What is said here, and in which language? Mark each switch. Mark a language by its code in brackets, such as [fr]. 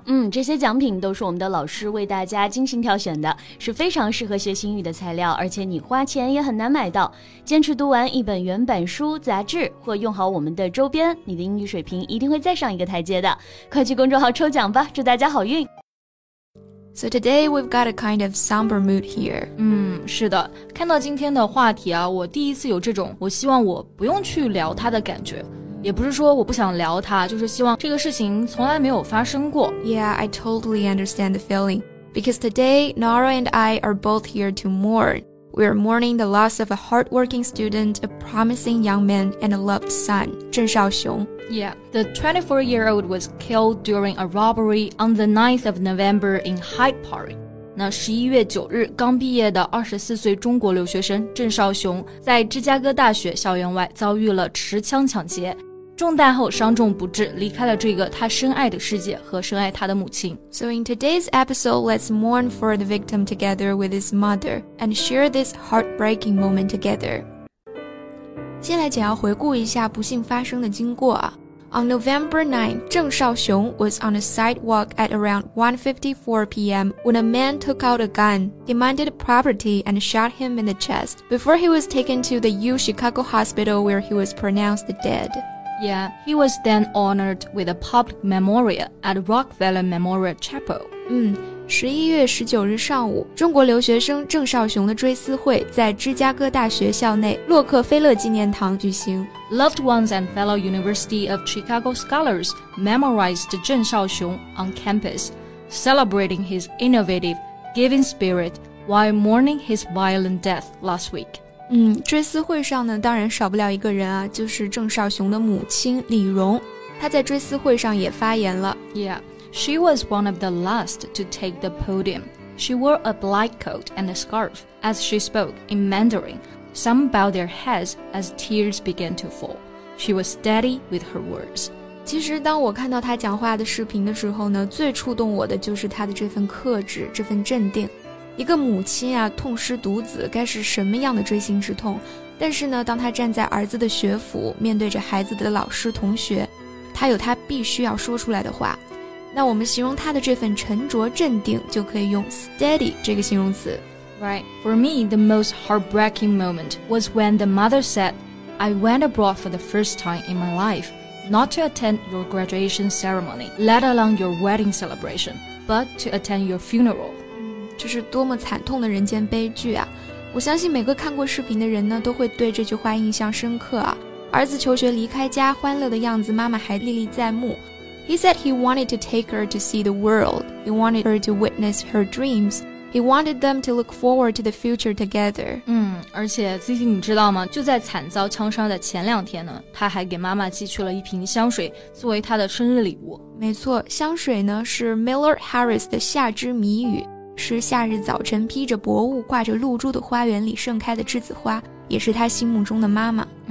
[zh] 嗯，这些奖品都是我们的老师为大家精心挑选的，是非常适合学习英语的材料，而且你花钱也很难买到。坚持读完一本原版书、杂志或用好我们的周边，你的英语水平一定会再上一个台阶的。快去公众号抽奖吧，祝大家好运。 [en] So today we've got a kind of somber mood here. [zh] 是的，看到今天的话题啊，我第一次有这种我希望我不用去聊它的感觉。也不是说我不想聊它，就是希望这个事情从来没有发生过。 [en] Yeah, I totally understand the feeling. Because today, Nara and I are both here to mourn. We are mourning the loss of a hardworking student, a promising young man, and a loved son, 郑少雄。 Yeah, the 24-year-old was killed during a robbery on the 9th of November in Hyde Park. [zh] 那11月9日刚毕业的24岁中国留学生郑少雄在芝加哥大学校园外遭遇了持枪抢劫，中弹后伤重不治，离开了这个他深爱的世界和深爱他的母亲。 [en] So in today's episode, let's mourn for the victim together with his mother and share this heartbreaking moment together. [zh] 先来简要回顾一下不幸发生的经过啊。 [en] On November 9, 郑少雄 was on a sidewalk at around 1:54 p.m. when a man took out a gun, demanded property, and shot him in the chest before he was taken to the U Chicago Hospital where he was pronounced dead. Yeah, he was then honored with a public memorial at Rockefeller Memorial Chapel. [zh] 11月19日上午，中国留学生郑少雄的追思会在芝加哥大学校内洛克菲勒纪念堂举行。 [en] Loved ones and fellow University of Chicago scholars memorized 郑少雄 on campus, celebrating his innovative, giving spirit while mourning his violent death last week. [zh] 追思会上呢，当然少不了一个人啊，就是郑少雄的母亲李荣，她在追思会上也发言了。 [en] Yeah. She was one of the last to take the podium. She wore a black coat and a scarf as she spoke in Mandarin. Some bowed their heads as tears began to fall. She was steady with her words. [zh] 其实当我看到她讲话的视频的时候呢，最触动我的就是她的这份克制，这份镇定。一个母亲啊，痛失独子，该是什么样的锥心之痛？但是呢，当她站在儿子的学府，面对着孩子的老师同学，她有她必须要说出来的话。那我们形容他的这份沉着镇定就可以用 steady 这个形容词。 [en] Right, for me, the most heartbreaking moment was when the mother said, I went abroad for the first time in my life, not to attend your graduation ceremony, let alone your wedding celebration, but to attend your funeral. [zh] 这是多么惨痛的人间悲剧啊。我相信每个看过视频的人呢，都会对这句话印象深刻啊。儿子求学离开家欢乐的样子妈妈还历历在目。 [en] He said he wanted to take her to see the world. He wanted her to witness her dreams. He wanted them to look forward to the future together. [zh] 而且 CC 你知道吗，就在惨遭枪伤的前两天呢，他还给妈妈寄去了一瓶香水作为他的生日礼物。没错，香水呢是 Miller Harris 的夏之谜语，是夏日早晨披着薄雾挂着露珠的花园里盛开的栀子花，也是他心目中的妈妈。